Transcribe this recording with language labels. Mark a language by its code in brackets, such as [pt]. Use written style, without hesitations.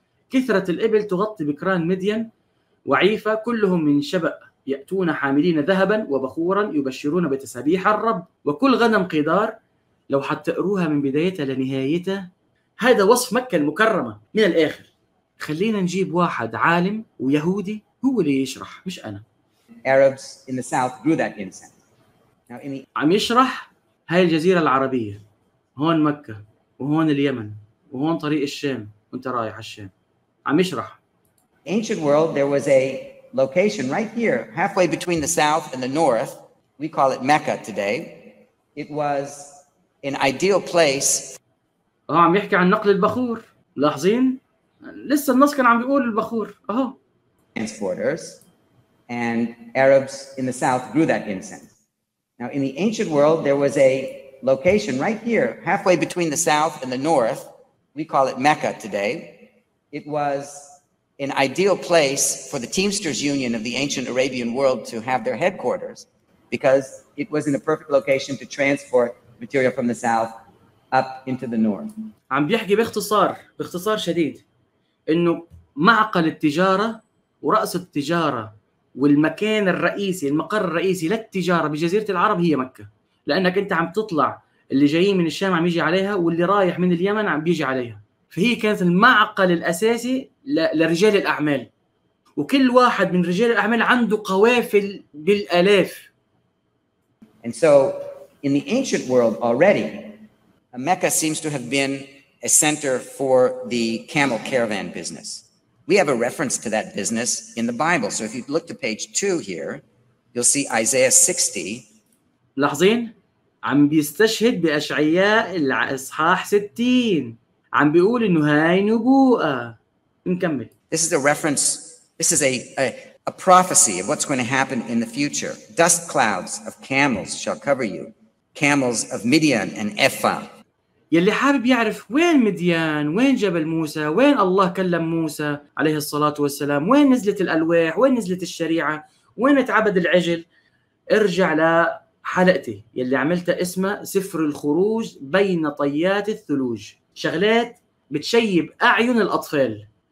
[ar] كثرة الإبل تغطي بكران مدين وعيفة، كلهم من شبأ يأتون حاملين ذهبا وبخورا يبشرون بتسبيح الرب، وكل غنم قدار. لو حتقروها من بدايتها لنهايتها، هذا وصف مكة المكرمة. من الآخر خلينا نجيب واحد عالم ويهودي هو اللي يشرح مش أنا. [en] Arabs in the south grew that incense. [ar] عم يشرح هاي الجزيرة العربية، هون مكة وهون اليمن وهون طريق الشام وانت رايح الشام، عم يشرح. [en] Ancient world there was a location right here halfway between the south and the north. We call it Mecca today. It was an ideal place. [ar] اهو عم يحكي عن نقل البخور، لاحظين لسه النص كان عم بيقول البخور اهو. [en] Transporters and Arabs in the south grew that incense. Now in the ancient world there was a location right here halfway between the south and the north. We call it Mecca today. It was an ideal place for the Teamsters Union of the ancient Arabian world to have their headquarters because it was in a perfect location to transport material from the south up into the north. [ar] عم بيحكي باختصار شديد انه معقل التجارة ورأس التجارة والمكان الرئيسي المقر الرئيسي للتجارة بجزيرة العرب هي مكة، لانك انت عم تطلع اللي جايين من الشام عم يجي عليها واللي رايح من اليمن عم بيجي عليها، فهي كانت المعقل الاساسي لرجال الاعمال، وكل واحد من رجال الاعمال عنده قوافل بالالاف. [en] And so in the ancient world already Mecca seems to have been a center for the camel caravan business. We have a reference to that business in the Bible. So if you look to page 2 here you'll see Isaiah 60. [ar] لاحظين عم بيستشهد بأشعياء الإصحاح 60، عم بيقول إنه هاي نبوءة. نكمل. [en] This is a reference. This is a prophecy of what's going to happen in the future. Dust clouds of camels shall cover you, camels of Midian and Ephah. [ar] يلي حابب يعرف وين مديان، وين جبل موسى، وين الله كلم موسى عليه الصلاة والسلام، وين نزلت الألواح، وين نزلت الشريعة، وين اتعبد العجل، ارجع ل حلقتي يلي عملتها اسمها سفر الخروج بين طيات الثلوج، شغلات بتشيب أعين الأطفال.